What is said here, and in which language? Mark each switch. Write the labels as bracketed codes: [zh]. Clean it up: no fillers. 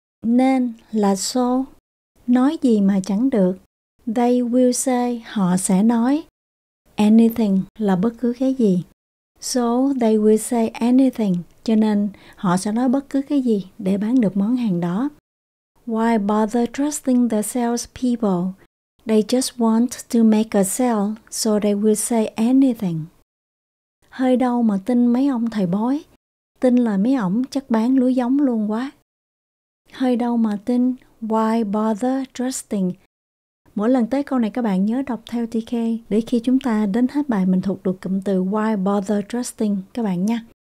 [vi] Nên là so. Nói gì mà chẳng được. [en] They will say, [vi] họ sẽ nói. [en] Anything [vi] là bất cứ cái gì. [en] So they will say anything. [vi] Cho nên họ sẽ nói bất cứ cái gì để bán được món hàng đó. [en] Why bother trusting the sales people? They just want to make a sale, so they will say anything. [vi] Hơi đau mà tin mấy ông thầy bói. Tin là mấy ổng chắc bán lúa giống luôn quá. Hơi đau mà tin. [en] Why bother trusting? [vi] Mỗi lần tới câu này các bạn nhớ đọc theo TK để khi chúng ta đến hết bài mình thuộc được cụm từ [en] why bother trusting [vi] các bạn nha.